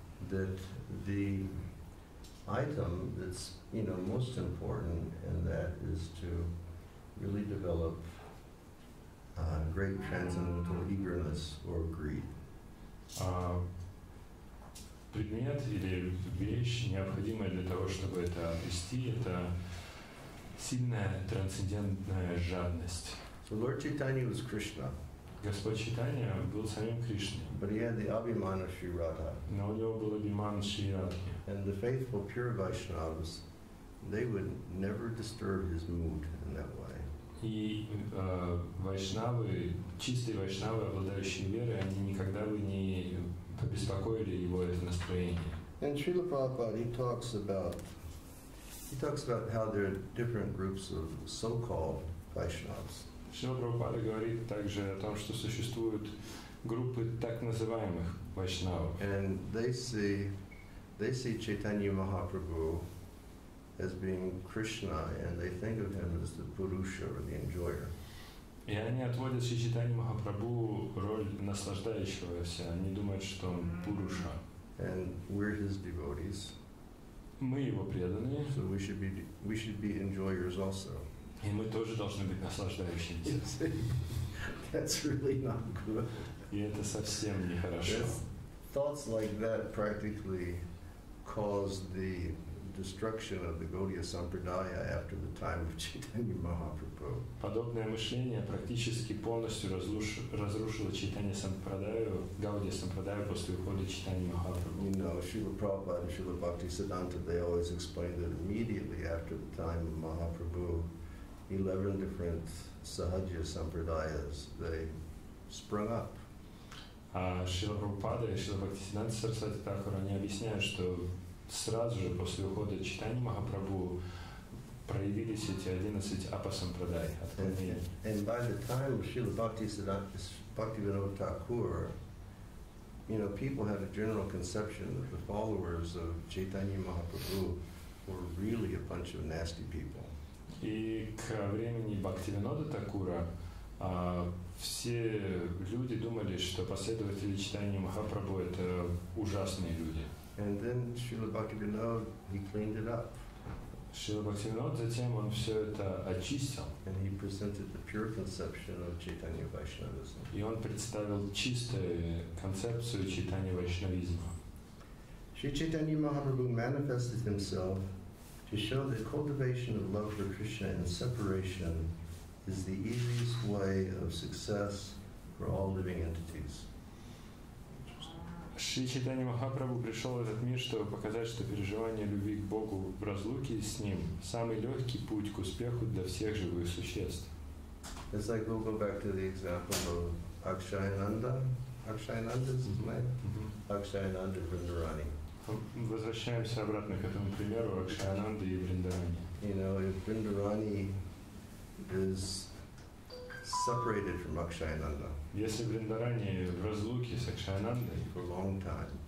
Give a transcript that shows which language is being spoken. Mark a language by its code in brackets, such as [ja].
[en] That the item that's, you know, most important in that is to really develop great transcendental eagerness or greed. [ru] Предмет или вещь, необходимая для того, чтобы это обрести, это сильная трансцендентная жадность. [en] So Lord Chaitanya was Krishna. [ru] Господь Чайтанья был самим Кришной. [en] But he had the Abhimana Shri Radha. [ru] Но у него был Абхиман Шри Радха. [en] And the faithful pure Vaishnavas, they would never disturb his mood in that way. [ru] И вайшнавы, чистые вайшнавы, обладающие верой, они никогда бы не побеспокоили его это настроение. [en] And Srila Prabhupada, he talks about how there are different groups of so-called Vaishnavas. [ru] Srila Prabhupada говорит также о том, что существуют группы так называемых вайшнавов. [en] And they see Chaitanya Mahaprabhu as being Krishna, and they think of him as the Purusha or the enjoyer. [ru] И они отводят Шри Чайтанья Махапрабху роль наслаждающегося. Они думают, что он Пуруша. [en] And we're his devotees. [ru] Мы его преданные. [en] So we should be enjoyers also. [ru] И мы тоже должны быть наслаждающимися. [en] That's really not good. [ru] И это совсем не хорошо. [en] Thoughts like that practically cause the destruction of the Gaudiya Sampradaya after the time of Chaitanya Mahaprabhu. [ru] Подобное мышление практически полностью разрушило Чайтанья Сампрадаю, Гаудия Сампрадаю после ухода Чайтанья Махапрабху. [en] You know, Srila Prabhupada and Srila Bhaktisiddhanta, they always explained that immediately after the time of Mahaprabhu, 11 different Sahaja Sampradayas, they sprung up. [ru] Srila Prabhupada и Srila Bhaktisiddhanta Sarasvati Thakura, они объясняют, что сразу же после ухода Чайтаньи Махапрабху проявились эти 11 апа-сампрадай. [en] And by the time of Srila Bhaktivinoda Thakur, you know, people had a general conception that the followers of Chaitanya Mahaprabhu were really a bunch of nasty people. [ru] И к времени Бхактивинода Такура все люди думали, что последователи Чайтаньи Махапрабху – это ужасные люди. [en] And then Srila Bhaktivinoda, he cleaned it up. [ru] Srila Bhaktivinoda, затем он все это очистил. [en] And he presented the pure conception of Chaitanya Vaishnavism. [ru] И он представил чистую концепцию Чайтанья Вайшнавизма. [en] Sri Chaitanya Mahaprabhu manifested himself to show that cultivation of love for Krishna and separation is the easiest way of success for all living entities. [ru] Шри Чайтанья Махапрабху пришел в этот мир, чтобы показать, что переживание любви к Богу в разлуке с Ним – самый легкий путь к успеху для всех живых существ. [en] It's like we'll go back to the example of Akshayananda. Akshayananda is his name? Akshayananda Vrindarani. [ru] Возвращаемся обратно к этому примеру Акшайананды и Вриндарани. [en] You know, if Vrindarani is separated from Akshayananda. [ru] Если Вриндарани в разлуке с Акшайанандой [en] for a long time,